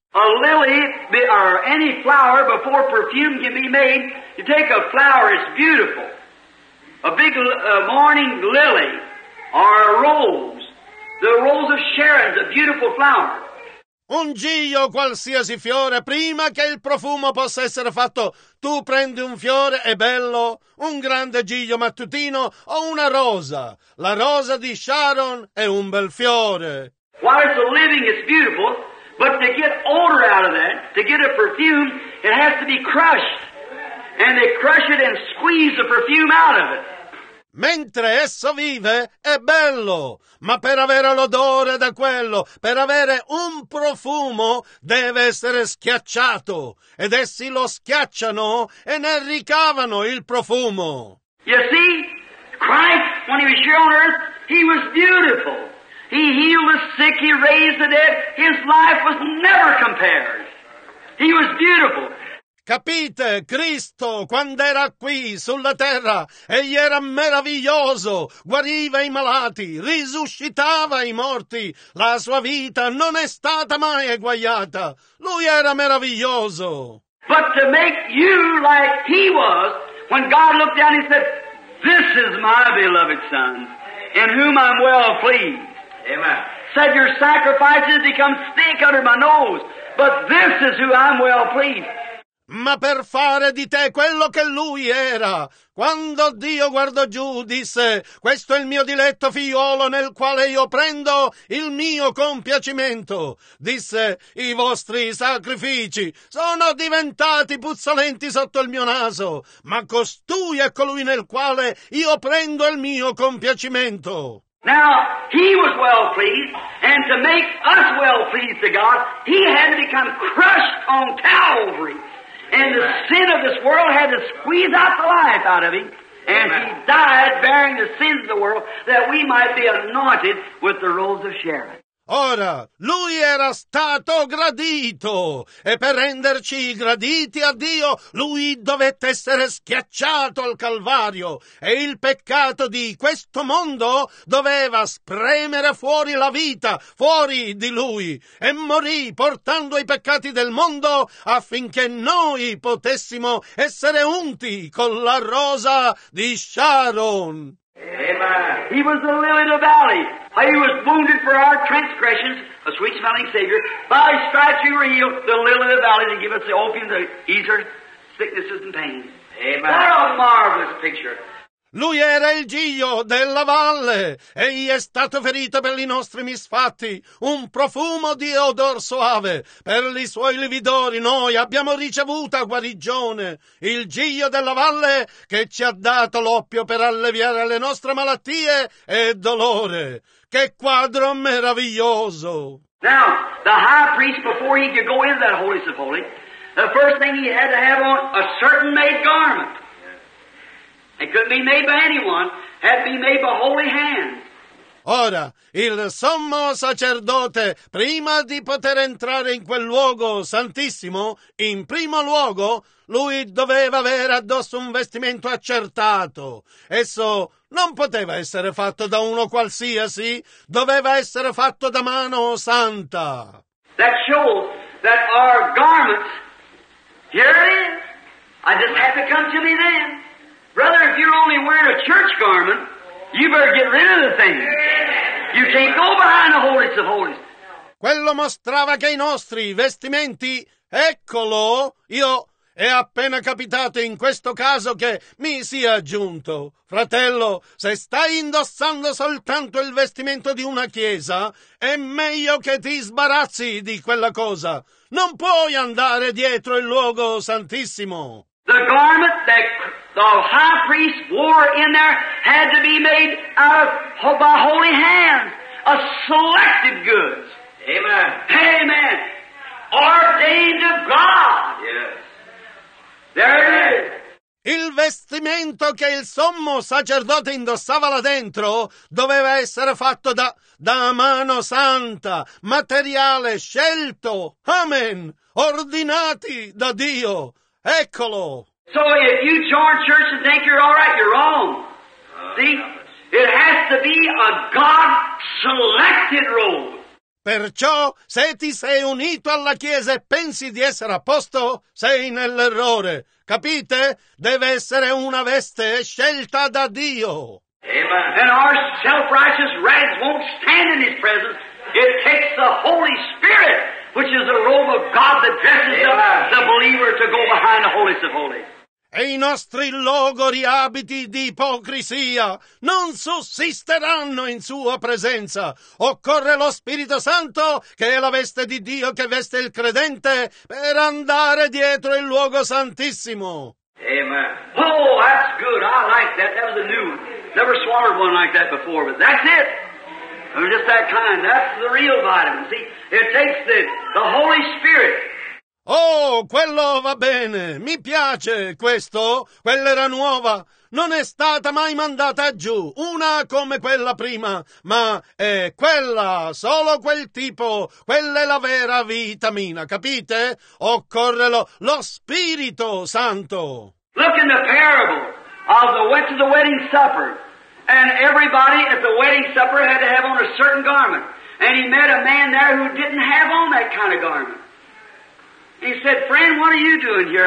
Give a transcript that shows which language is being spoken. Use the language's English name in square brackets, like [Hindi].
[English] A lily, or any flower, before perfume can be made, you take a flower, it's beautiful. A big morning lily, or a rose, the rose of Sharon, the beautiful flower. [Italian] Un giglio, qualsiasi fiore, prima che il profumo possa essere fatto, tu prendi un fiore, è bello, un grande giglio mattutino o una rosa. La rosa di Sharon è un bel fiore. [English] While it's a living, it's beautiful, but to get odor out of that, to get a perfume, it has to be crushed. And they crush it and squeeze the perfume out of it. [Italian] Mentre esso vive, è bello, ma per avere l'odore da quello, per avere un profumo, deve essere schiacciato. Ed essi lo schiacciano e ne ricavano il profumo. [English] You see, Christ, when he was here on earth, he was beautiful. He healed the sick, he raised the dead. His life was never compared. He was beautiful. [Italian] Capite, Cristo, quando era qui, sulla terra, egli era meraviglioso, guariva i malati, risuscitava i morti, la sua vita non è stata mai eguagliata, lui era meraviglioso. [English] But to make you like he was, when God looked down, he said, this is my beloved son, in whom I'm well pleased. Amen. Said your sacrifices become stink under my nose, but this is who I'm well pleased. [Italian] Ma per fare di te quello che lui era, quando Dio guardò giù, disse, questo è il mio diletto figliolo nel quale io prendo il mio compiacimento. Disse, i vostri sacrifici sono diventati puzzolenti sotto il mio naso, ma costui è colui nel quale io prendo il mio compiacimento. [English] Now, he was well pleased, and to make us well pleased to God, he had to become crushed on Calvary. And the sin of this world had to squeeze out the life out of him. And he died bearing the sins of the world that we might be anointed with the rose of Sharon. [Italian] Ora, lui era stato gradito, e per renderci graditi a Dio, lui dovette essere schiacciato al Calvario, e il peccato di questo mondo doveva spremere fuori la vita, fuori di lui, e morì portando i peccati del mondo affinché noi potessimo essere unti con la rosa di Sharon. [English] Amen. He was the lily of the valley. He was wounded for our transgressions, a sweet-smelling Savior. By his stripes we were healed, the lily of the valley, to give us the opium to ease our sicknesses and pains. Amen. What a marvelous picture. [Italian] Lui era il giglio della valle, egli è stato ferito per i nostri misfatti, un profumo di odor soave, per i suoi lividori noi abbiamo ricevuto guarigione, il giglio della valle che ci ha dato l'oppio per alleviare le nostre malattie e dolore. Che quadro meraviglioso! [English] Now, the high priest, before he could go into that holy of holy, the first thing he had to have on a certain made garment. It couldn't be made by anyone. It had to be made by holy hands. [Italian] Ora, il sommo sacerdote, prima di poter entrare in quel luogo santissimo, in primo luogo, lui doveva avere addosso un vestimento accertato. Esso non poteva essere fatto da uno qualsiasi, doveva essere fatto da mano santa. [English] That shows that our garments, here it is, I just have to come to me then. Brother, if you're only wearing a church garment, you better get rid of the thing. You can't go behind the holiest of holies. [Italian] Quello mostrava che i nostri vestimenti, eccolo, io è appena capitato in questo caso che mi sia giunto. Fratello, se stai indossando soltanto il vestimento di una chiesa, è meglio che ti sbarazzi di quella cosa. Non puoi andare dietro il luogo santissimo. [English] The garment that the high priest wore in there had to be made out of by holy hands, a selected goods. Amen. Amen. Ordained of God. Yes. There it is. [Italian] Il vestimento che il sommo sacerdote indossava là dentro doveva essere fatto da mano santa, materiale scelto. Amen. Ordinati da Dio. Eccolo. [English] So if you join church and think you're all right, you're wrong. See? It has to be a God-selected role. [Italian] Perciò, se ti sei unito alla Chiesa e pensi di essere a posto, sei nell'errore. Capite? Deve essere una veste scelta da Dio. [English] And our self-righteous rags won't stand in His presence. It takes the Holy Spirit, which is the robe of God that dresses the believer to go behind the holiest of holies. [Italian] E i nostri logori abiti di ipocrisia non sussisteranno in sua presenza. Occorre lo Spirito Santo, che è la veste di Dio che veste il credente, per andare dietro il luogo santissimo. [English] Amen. Oh, that's good. I like that. That was a new one. Never swallowed one like that before, but that's it. I'm just that kind. That's the real vitamin. See, it takes the Holy Spirit. [Italian] Oh, quello va bene, mi piace questo, quella era nuova, non è stata mai mandata giù, una come quella prima, ma è quella, solo quel tipo, quella è la vera vitamina, capite? Occorre lo Spirito Santo. [English] Look in the parable of the went to the wedding supper, and everybody at the wedding supper had to have on a certain garment, and he met a man there who didn't have on that kind of garment. He said, friend, what are you doing here?